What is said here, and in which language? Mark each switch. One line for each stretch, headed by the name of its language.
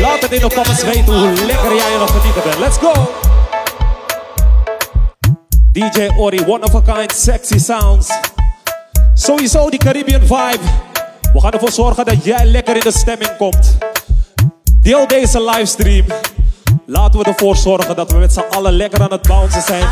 Dutch: Laat het in de comments weten hoe lekker jij er aan genieten bent.
English: Let's go! DJ Orrie, one of a kind, sexy sounds.
Dutch: Sowieso die Caribbean vibe. We gaan ervoor zorgen dat jij lekker in de stemming komt. Deel deze livestream. Laten we ervoor zorgen dat we met z'n allen lekker aan het bouncen zijn.